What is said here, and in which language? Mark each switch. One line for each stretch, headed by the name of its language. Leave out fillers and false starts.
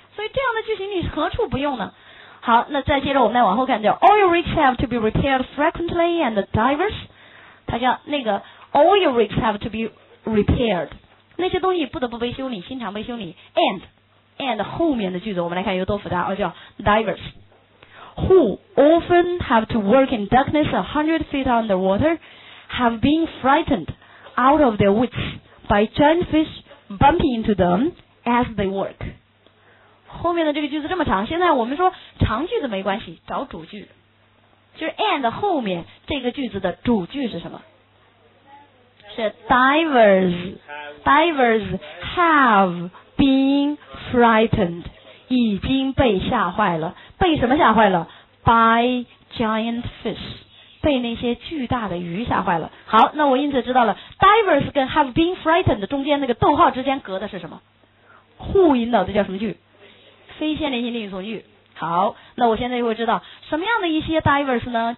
Chinese: 所以这样的句型你何处不用呢？好，那再接着我们再往后看，叫 oil rigs have to be repaired frequently and divers，它叫那个 oil rigs have to be repaired，那些东西不得不被修理，经常被修理。 and 后面的句子我们来看有多复杂，叫 divers。
English: Who often have to work in darkness 100 feet underwater have been frightened out of their wits by giant fish bumping into them as they work。
Chinese: 后面的这个句子这么长，现在我们说长句子没关系，找主句，就是 and 后面这个句子的主句是什么？是 divers have been frightened，已经被吓坏了。被什么吓坏了？ By giant fish，被那些巨大的鱼吓坏了。好，那我因此知道了 divers 跟 have been frightened 中间那个逗号之间隔的是什么？ who 引导的叫什么句？非线性定语从句。好，那我现在就会知道什么样的一些 divers 呢？